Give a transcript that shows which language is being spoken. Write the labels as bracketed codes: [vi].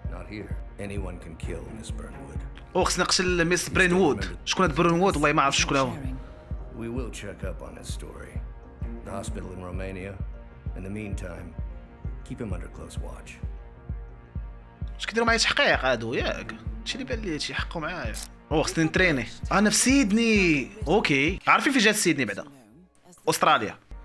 [en] Here, anyone can kill Miss Burnwood. [ar] Oh, خصني نقتل ميس برينوود. شكون هاد برينوود؟ والله ما عرف شكون هو. [en] We will check up on his story. The hospital in Romania. In the meantime, keep him under close watch. [ar] اش كيديروا معايا تحقيق هادو ياك؟ هادشي اللي بان لي تيحقوا معايا. Oh, خصني نتريني. أنا في سيدني. أوكي. عارفين فين جات سيدني بعدا؟ أستراليا.